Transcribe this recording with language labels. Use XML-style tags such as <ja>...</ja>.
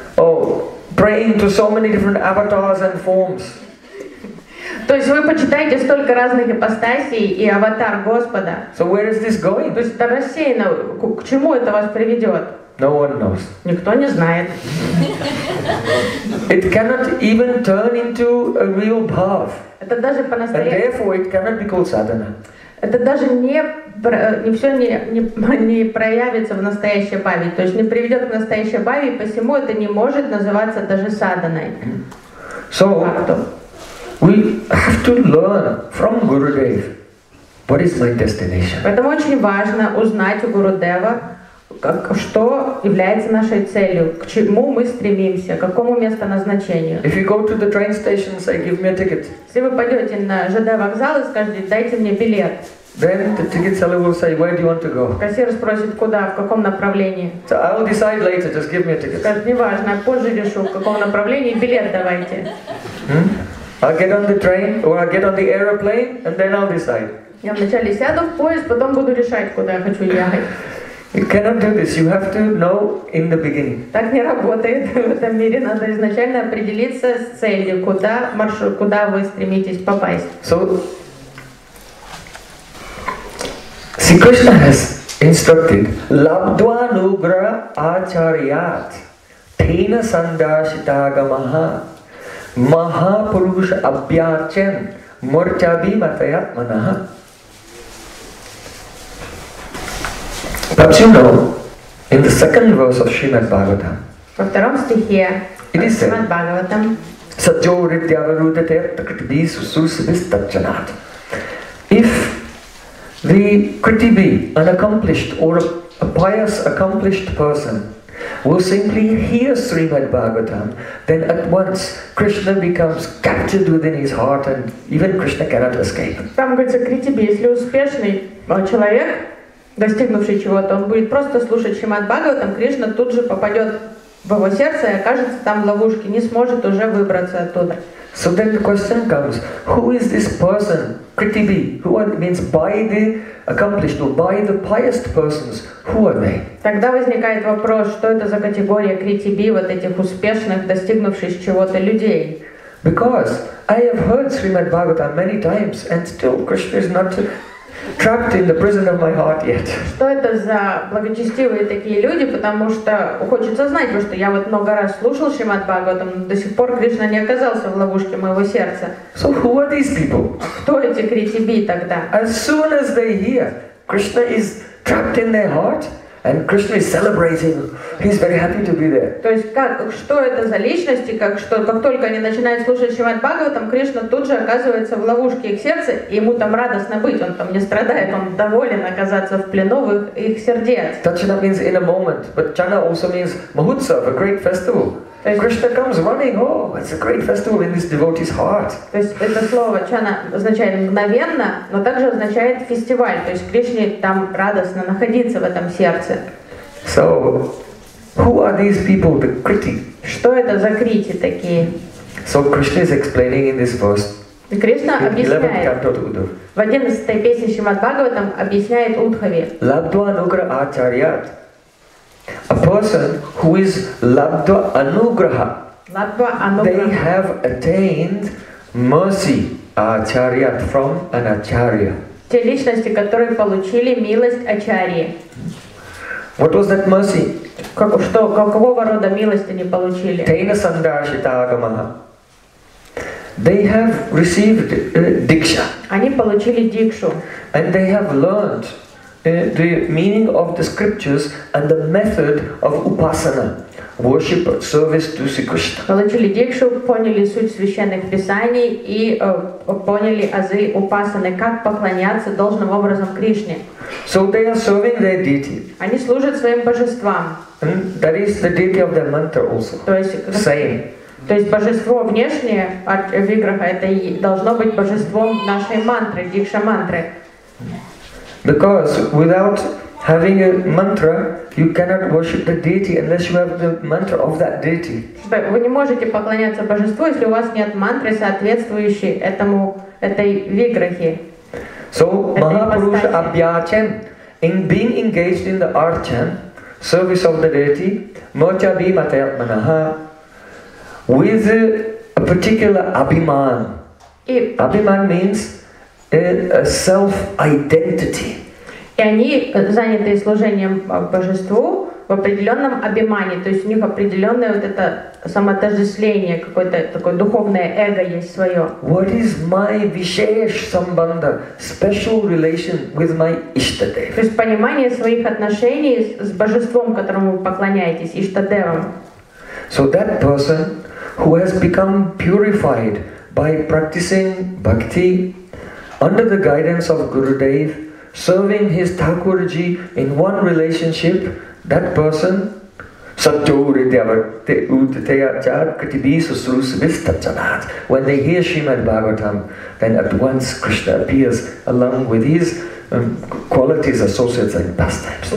<en>Oh, praying to so many different avatars and forms.</en> <ru>То есть вы почитаете столько разных ипостасей и аватар Господа.</ru> <en>So where is this going?</en> <ru>То есть это рассеяно. К чему это вас приведет?</ru> <en>No one knows.</en> <ru>Никто не знает.</ru> <en>It cannot even turn into a real bhav.</en> <ru>Это даже по-настоящему.</ru> <en>And therefore it cannot be called sadhana.</en> <ru>Это даже не проявится в настоящей бхаве, то есть не приведет к настоящей бхаве, и посему это не может называться даже садханой. So, фактом.</ru> <en>We have to learn from Gurudev, what is my destination?</en> <ru>Поэтому очень важно узнать у Гурудева, что является нашей целью, к чему мы стремимся, к какому месту назначению.</ru> <en>If you go to the train station, say, give me a ticket.</en> <ru>Если вы пойдете на ЖД вокзал и скажете, дайте мне билет.</ru> <en>Then the ticket seller will say, where do you want to go?</en> <ru>Кассир спросит, куда, в каком направлении.</ru> <en>So I'll decide later, just give me a ticket.</en> <ru>Скажет, неважно, я позже решу, в каком направлении, билет давайте.</ru> <en>I'll get on the train, or I'll get on the aeroplane, and then I'll decide.</en> <ru>Я вначале сяду в поезд, потом буду решать, куда я хочу ехать.</ru> <en>You cannot do this. You have to know in the beginning.</en> <ru>Так не работает в этом мире. Надо изначально определиться с целью, куда маршрут, куда вы стремитесь попасть.</ru> <en>So, see, Krishna has instructed</en> <sa>labdvanugra acharyat tena sandashitagamah mahapurush abhyachen murchabi mataya manah.</sa> <en>Perhaps you know, in the second verse of Srimad Bhagavatam, it is said,</en> <sa>Sajo Rityavarudate Kritibi Susubhistachanat.</sa> <en>If the Kritibi, an accomplished or a pious accomplished person, will simply hear Srimad Bhagavatam, then at once Krishna becomes captured within his heart and even Krishna cannot escape.</en> <ru>Там говорится, Kritibi, если успешный человек, достигнувший чего-то, он будет просто слушать Шримад Бхагаватам, Кришна тут же попадет в его сердце и окажется там в ловушке, не сможет уже выбраться оттуда.</ru> <en>So then the question comes, who is this person, Kritibi, who are, means by the accomplished or by the pious persons, who are they?</en> <ru>Тогда возникает вопрос, что это за категория Kritibi, вот этих успешных, достигнувших чего-то людей?</ru> <en>Because I have heard Srimad Bhagavatam many times and still Krishna is not trapped in the prison of my heart yet.</en> <ru>Что это за благочестивые такие люди, потому что хочется знать, потому что я вот много раз слушал Шримад Бхагаватам, но до сих пор Кришна не оказался в ловушке моего сердца.</ru> <en>So who are these people?</en> <ru>Кто эти Критиби тогда?</ru> <en>As soon as they hear Krishna is trapped in their heart, and Krishna is celebrating, he's very happy to be there.</en> <ru>То есть как, что это за личности, как, что, как только они начинают слушать Шримад Бхагаватам, Кришна тут же оказывается в ловушке их сердца, и ему там радостно быть, он там не страдает, он доволен оказаться в плену в их сердец.</ru> <en>Tachana means in a moment, but Chana also means Mahutsav, a great festival. And Krishna comes running, oh, it's a great festival in this devotee's heart.</en> <ru>То есть это слово чана означает мгновенно, но также означает фестиваль. То есть Кришне там радостно находиться в этом сердце. So, who are these people, the Kriti? Что это за Крити такие? So Krishna is explaining in this verse. Кришна объясняет. В 11-й песне Шримад Бхагаватам объясняет Удхаве.</ru> <sa>Лабдва нугра ачарьят.</sa> <en>A person who is labdva anugraha, they have attained mercy, acharya, from an acharya.</en> <ru>Те личности, которые получили милость ачарьи.</ru> <en>What was that mercy?</en> <ru>Как, что, какого рода милость они получили?</ru> <sa>Тейна сандашита агамаха.</sa> <en>They have received дикша.</en> <ru>Они получили дикшу.</ru> <en>And they have learned the meaning of the scriptures and the method of upasana, worship, service to Sri Krishna.</en> <ru>Получили дикшу, поняли суть священных писаний и поняли азы упасаны, как поклоняться должным образом Кришне.</ru> <en>So they are serving their deity.</en> <ru>Они служат своим божествам.</ru> <en>That is the deity of their mantra also.</en> <ru>То есть,</ru> <en>same.</en> <ru>То есть божество внешнее от виграха это и должно быть божеством нашей мантры, дикша мантры.</ru> <en>Because without having a mantra, you cannot worship the deity unless you have the mantra of that deity.</en> <ru>Вы не можете поклоняться божеству, если у вас нет мантры, соответствующей этому этой виграхе.</ru> <en>So</en> <sa>Mahapurusha Abhyachan,</sa> <en>in being engaged in the archan, service of the deity,</en> <sa>Mocha Bhimatayat Manaha,</sa> <en>with a particular Abhiman. Abhiman means a self-identity.</en> <ru>И они заняты служением божеству в определенном абимане, то есть у них определенное вот это самоотождествление, какое-то такое духовное эго есть свое.</ru> <en>What is my vishesh sambandha, special relation with my ishtadev?</en> <ru>То есть понимание своих отношений с божеством, которому вы поклоняетесь, ishtadevam.</ru> <en>So that person who has become purified by practicing bhakti under the guidance of Gurudev, serving his Thakurji in one relationship, that person, when they hear Srimad Bhagavatam, then at once Krishna appears along with his qualities, associates and pastimes.</en>